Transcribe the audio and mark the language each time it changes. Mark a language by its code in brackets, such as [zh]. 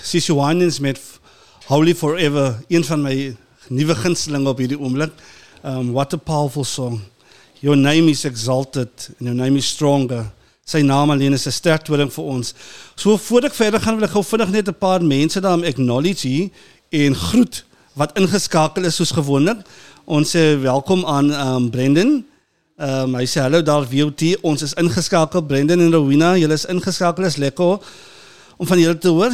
[af] Sisi Winans met Holy Forever, een van my nuwe gunsteling op hierdie oomblik. [en] What a powerful song. Your name is exalted and your name is stronger. [af] Sy naam alleen is 'n sterktoring vir ons. So voor ek verder gaan, wil ek gou vinnig net 'n paar mense daar acknowledge hier en groet wat ingeskakel is soos gewoonlik. Ons sê welkom aan Brenden. Hy sê hallo daar WOT. Ons is ingeskakel, Brenden en Rowena. Julle is ingeskakel, is lekker om van julle te hoor.